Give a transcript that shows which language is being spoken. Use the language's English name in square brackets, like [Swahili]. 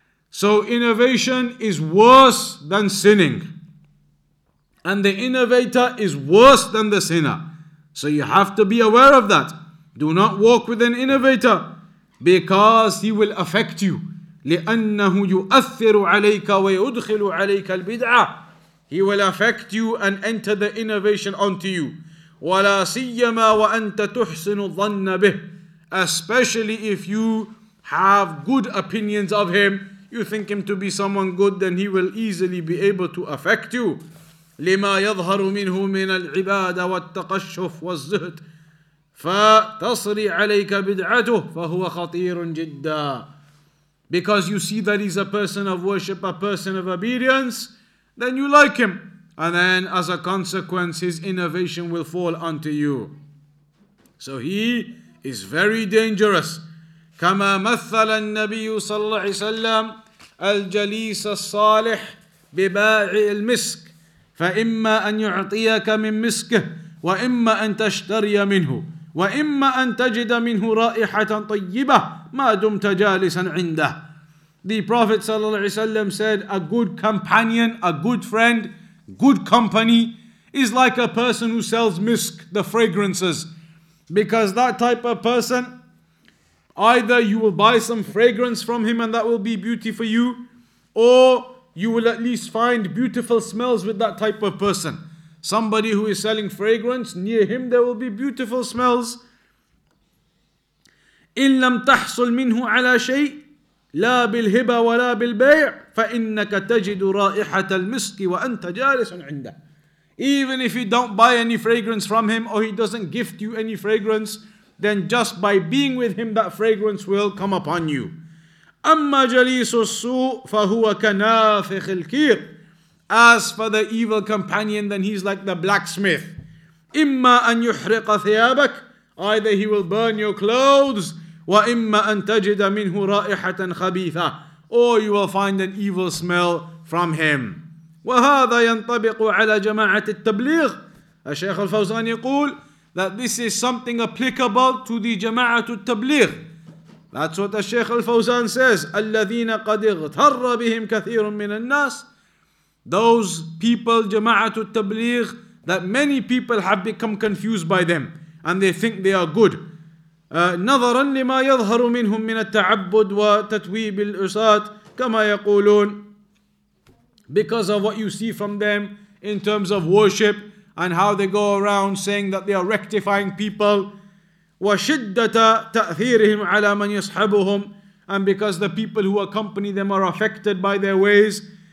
[English] So innovation is worse than sinning, and the innovator is worse than the sinner. So you have to be aware of that. Do not walk with an innovator, because he will affect you. [Arabic] لِأَنَّهُ يُؤَثِّرُ عَلَيْكَ وَيُدْخِلُ عَلَيْكَ الْبِدْعَةِ. [English] He will affect you and enter the innovation onto you. [Arabic] ولا سيما وأنت تحسن الظن به. [English] Especially if you have good opinions of him, you think him to be someone good, then he will easily be able to affect you. [Arabic] لما يظهر منه من العبادة والتقشف والزهد فتصري عليك بدعته فهو خطير جدا. [English] Because you see that he's a person of worship, a person of obedience, then you like him. And then as a consequence, his innovation will fall onto you. So he is very dangerous. [Arabic] كَمَا مَثَّلَ النَّبِيُّ صَلَّى اللَّهِ عَلَيْهِ وَسَلَّمَ الْجَلِيسَ الصَّالِحِ ببائع المسك، فإما أن يعطيك من مسكه، وإما أن تشتري منه، وإما أن تجد منه رائحة طيبة ما دمت جالسا عنده. [English] The Prophet sallallahu alaihi wasallam said, a good companion, a good friend, good company is like a person who sells misk, the fragrances. Because that type of person, either you will buy some fragrance from him and that will be beauty for you, or you will at least find beautiful smells with that type of person. Somebody who is selling fragrance, near him there will be beautiful smells. [Arabic] إِن لَمْ تَحْصُلْ مِنْهُ عَلَى شَيْءٍ لَا بِالْهِبَى وَلَا بِالْبَيْعِ فَإِنَّكَ تَجِدُ رَائِحَةَ الْمِسْكِ وَأَنْتَ جَالِسٌ عِنْدَهُ. [English] Even if you don't buy any fragrance from him, or he doesn't gift you any fragrance, then just by being with him, that fragrance will come upon you. [Arabic] أَمَّا جَلِيسُ السُّوءُ فَهُوَ كَنَافِخِ الْكِيرِ. [English] As for the evil companion, then he's like the blacksmith. [Arabic] إِمَّا أَنْ يُحْرِقَ ثِيَابَكَ. [English] Either he will burn your clothes, [Arabic] وَإِمَّا أَنْ تَجِدَ مِنْهُ رَائِحَةً خَبِيثَةً. [English] Or you will find an evil smell from him. [Arabic] وهذا ينطبق على جماعة التبليغ. الشيخ الفوزان يقول [English] that this is something applicable to the [Arabic] جماعة التبليغ. [English] That's what الشيخ الفوزان says. [Arabic] الذين قد اغتر بهم كثير من الناس. [English] Those people, جماعة التبليغ, that many people have become confused by them and they think they are good. [Arabic] نظرا لما يظهر منهم من التعبد وتتويب العصاة كما يقولون. [English] Because of what you see from them in terms of worship and how they go around saying that they are rectifying people. [Arabic] وَشِدَّةَ تَأْثِيرِهِمْ عَلَى مَنْ يَصْحَبُهُمْ. [English] And because the people who accompany them are affected by their ways.